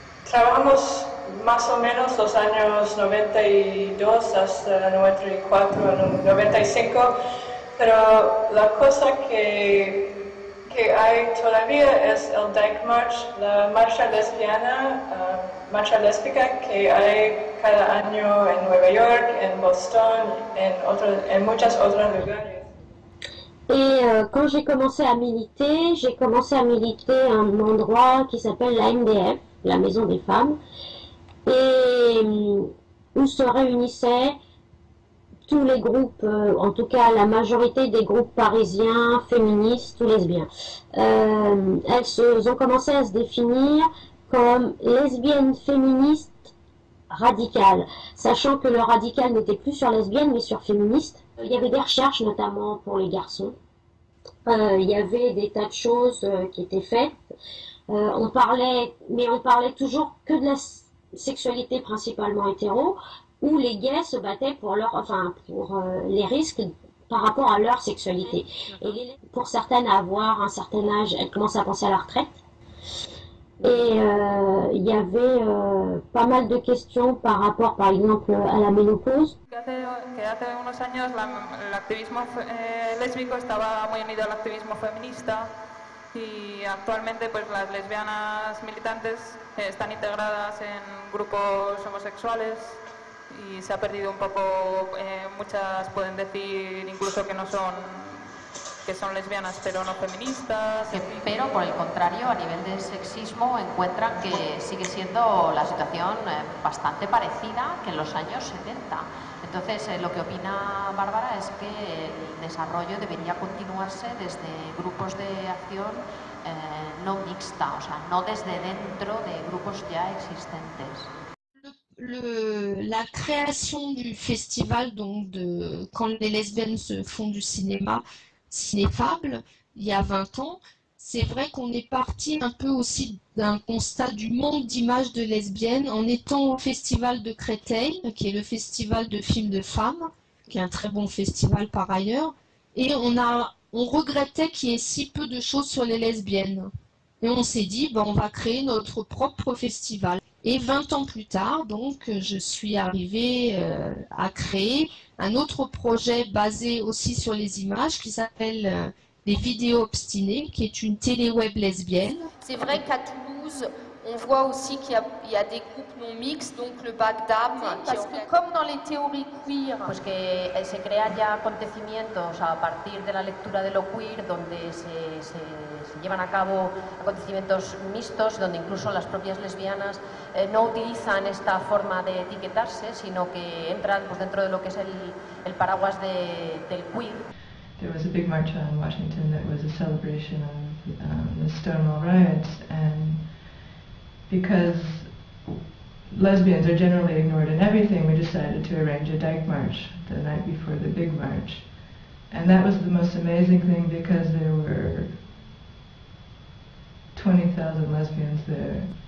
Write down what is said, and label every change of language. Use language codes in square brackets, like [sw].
[es] Trabajamos más o menos los años 92 hasta 94, 95, pero la cosa que hay todavía es el Dyke March, la marcha lesbiana, marcha lésbica que hay cada año en Nueva York, en Boston, en muchas otras lugares. [fr] Et quand j'ai commencé à militer, j'ai commencé à militer à un endroit qui s'appelle la MDF, la Maison des Femmes, et où se réunissaient tous les groupes, en tout cas la majorité des groupes parisiens, féministes ou lesbiens. Elles ont commencé à se définir comme lesbiennes féministes radicales, sachant que le radical n'était plus sur lesbiennes mais sur féministes. Il y avait des recherches notamment pour les garçons. Il y avait des tas de choses qui étaient faites. On parlait toujours que de la sexualité principalement hétéro, où les gays se battaient pour les risques par rapport à leur sexualité. Et pour certaines, à avoir un certain âge, elles commencent à penser à la retraite. Et il y avait pas mal de questions par rapport, par exemple, à la ménopause. [es] Hace unos años el activismo lésbico estaba muy unido al activismo feminista y actualmente pues las lesbianas militantes están integradas en grupos homosexuales y se ha perdido un poco, muchas pueden decir incluso que no son, que son lesbianas pero no feministas. Pero por el contrario, a nivel de sexismo encuentran que sigue siendo la situación bastante parecida que en los años 70. Entonces, lo que opina Bárbara es que el desarrollo debería continuarse desde grupos de acción no mixta, o sea, no desde dentro de grupos ya existentes. [fr] La création du festival, donc de quand les lesbiennes se font du cinéma, Cinéfable, il y a 20 ans, c'est vrai qu'on est parti un peu aussi d'un constat du manque d'image de lesbiennes en étant au festival de Créteil, qui est le festival de films de femmes, qui est un très bon festival par ailleurs, et on regrettait qu'il y ait si peu de choses sur les lesbiennes. Et on s'est dit, ben, on va créer notre propre festival. Et 20 ans plus tard, donc, je suis arrivée à créer un autre projet basé aussi sur les images qui s'appelle Les Vidéos Obstinées, qui est une télé-web lesbienne. C'est vrai qu'à Toulouse, on voit aussi qu'il y a des couples non mixtes, donc le bac d'âme. Parce que comme dans les théories queer... Parce que [es] se crea ya acontecimientos a partir de la lectura de lo queer, donde se llevan a cabo acontecimientos mixtos, donde incluso las propias lesbianas no utilizan esta forma de etiquetarse, sino que entran pues, dentro de lo que es el paraguas del queer. [en] There was a big march on Washington that was a celebration of the Stonewall riots, and because lesbians are generally ignored in everything, we decided to arrange a dyke march the night before the big march. And that was the most amazing thing because there were 20,000 lesbians there.